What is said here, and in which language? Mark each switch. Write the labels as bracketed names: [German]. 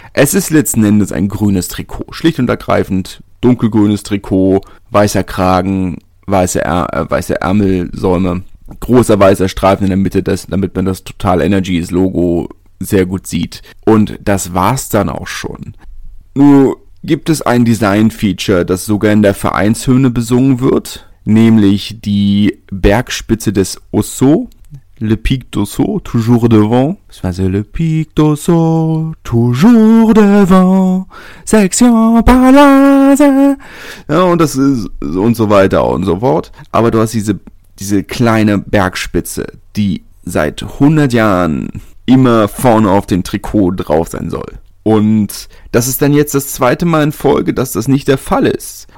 [German] Es ist letzten Endes ein grünes Trikot. Schlicht und ergreifend dunkelgrünes Trikot, weißer Kragen, weiße Ärmelsäume, großer weißer Streifen in der Mitte, damit man das Total Energies Logo sehr gut sieht. Und das war's dann auch schon. Nur gibt es ein Design-Feature, das sogar in der Vereinshymne besungen wird, nämlich die Bergspitze des Osso. [French] Le Pic d'Ossau, toujours devant. C'est le Pic d'Ossau, toujours devant. Section Palace. [German] Ja, und das ist, und so weiter und so fort. Aber du hast diese kleine Bergspitze, die seit 100 Jahren immer vorne auf dem Trikot drauf sein soll. Und das ist dann jetzt das zweite Mal in Folge, dass das nicht der Fall ist.